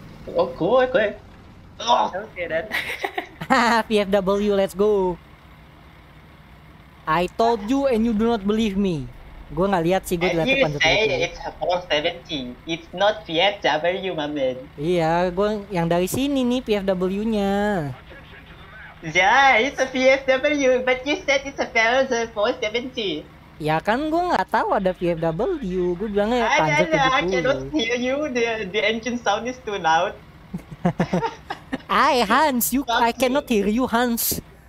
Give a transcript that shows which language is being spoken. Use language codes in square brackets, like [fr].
[id] Oh, gue. Oke, Dan. [en] PFW, let's go. I told you and you do not believe me. [id] Gue nggak lihat sih, gue lihat depan itu. [en] You say it's a 470, it's not PFW, my man. [id] Iya, gue yang dari sini nih PFW-nya. [en] Yeah, it's a PFW, but you said it's a 470. [id] Ya kan, gue nggak tahu ada PFW, gue bilangnya ya panjat [en] itu. I cannot hear you. The engine sound is too loud. I Hans, you I cannot hear you, Hans.